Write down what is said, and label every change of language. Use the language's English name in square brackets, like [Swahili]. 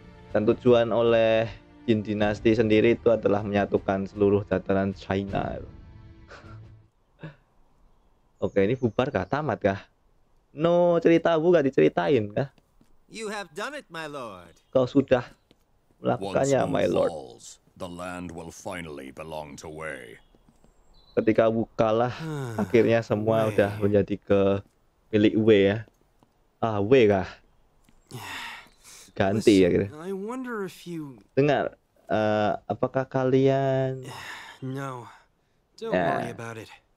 [Indonesian] Dan tujuan oleh Jin Dinasti sendiri itu adalah menyatukan seluruh dataran China. Oke, ini bubar kah? Tamat kah? No, cerita Wu gak diceritain kah? [English] You have done it, my lord. [Indonesian] Kau sudah melakukannya, [English] my lord. Falls, the land will finally belong to Wei. [Indonesian] Ketika Wu kalah, akhirnya semua Wei udah menjadi ke milik Wei ya. Ah, Wei kah? Ganti ya gitu. Dengar, apakah kalian? [English] No, don't worry about it.